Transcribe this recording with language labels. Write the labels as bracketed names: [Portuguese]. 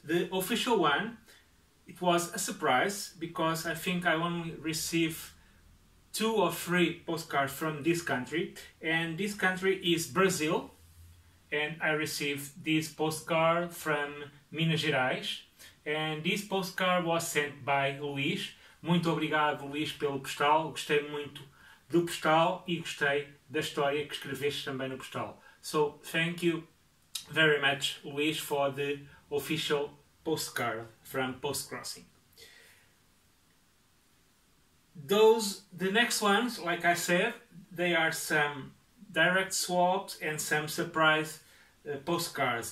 [English] The official one, it was a surprise because I think I only received two or three postcards from this country, and this country is Brazil, and I received this postcard from Minas Gerais, and this postcard was sent by Luís. [Portuguese] Muito obrigado, Luís, pelo postal. Gostei muito do postal e gostei da história que escreveste também no postal. [English] So thank you very much, Luís, for the official postcard from Postcrossing. The next ones, like I said, they are some direct swaps and some surprise postcards.